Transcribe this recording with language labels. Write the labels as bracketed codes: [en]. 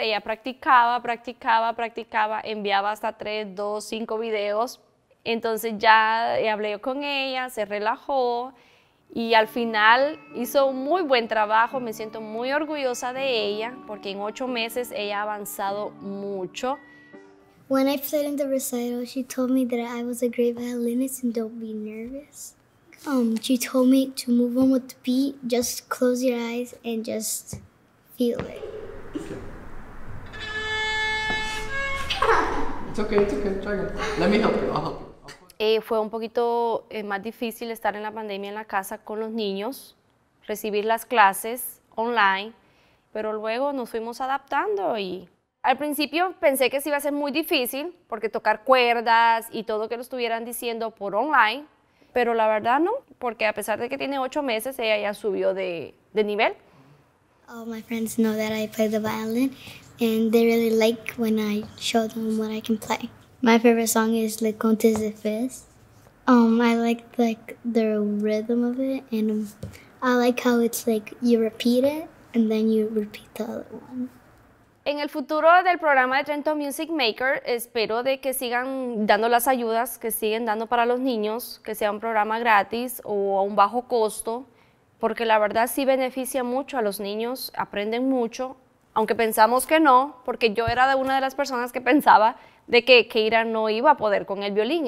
[es] Ella practicaba, enviaba hasta 3, 2, 5 videos. Entonces ya hablé con ella, se relajó y al final hizo un muy buen trabajo. Me siento muy orgullosa de ella porque en 8 meses ella ha avanzado mucho. [en] When I played in the recital, she told me that I was a great violinist and don't be nervous. She told me to move on with the beat, just close your eyes and just feel it. It's okay, try again. Let me help you, I'll help you. [es] Fue un poquito más difícil estar en la pandemia en la casa con los niños, recibir las clases online, pero luego nos fuimos adaptando y al principio pensé que sí iba a ser muy difícil porque tocar cuerdas y todo que lo estuvieran diciendo por online, pero la verdad no, porque a pesar de que tiene 8 meses, ella ya subió de nivel. [en] All my friends know that I play the violin and they really like when I show them what I can play. My favorite song is Le Conte de Fes. I like the rhythm of it and I like how it's like you repeat it and then you repeat the other one. [es] En el futuro del programa de Trenton Music Maker, espero de que sigan dando las ayudas que siguen dando para los niños, que sea un programa gratis o a un bajo costo. Porque la verdad sí beneficia mucho a los niños, aprenden mucho, aunque pensamos que no, porque yo era de una de las personas que pensaba de que Keira no iba a poder con el violín.